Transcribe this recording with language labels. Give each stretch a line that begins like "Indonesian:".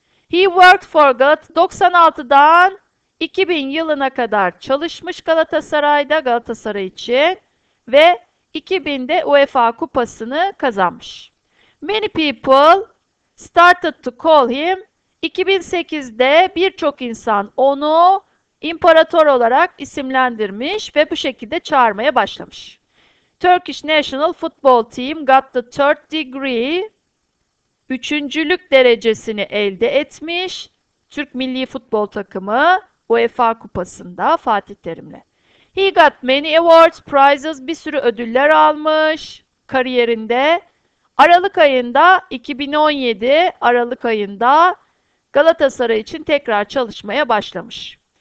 English: He worked for
Turkish: Galatasaray 96'dan 2000 yılına kadar çalışmış Galatasaray'da Galatasaray için ve 2000'de UEFA Kupası'nı kazanmış.
English: Many people started to call him.
Turkish: 2008'de birçok insan onu imparator olarak isimlendirmiş ve bu şekilde çağırmaya başlamış.
English: Turkish National Football Team got the third degree.
Turkish: Üçüncülük derecesini elde etmiş. Türk Milli Futbol Takımı UEFA Kupası'nda Fatih Terim'le.
English: He got many awards, prizes,
Turkish: bir sürü ödüller almış kariyerinde. Aralık ayında 2017 Aralık ayında Galatasaray için tekrar çalışmaya başlamış.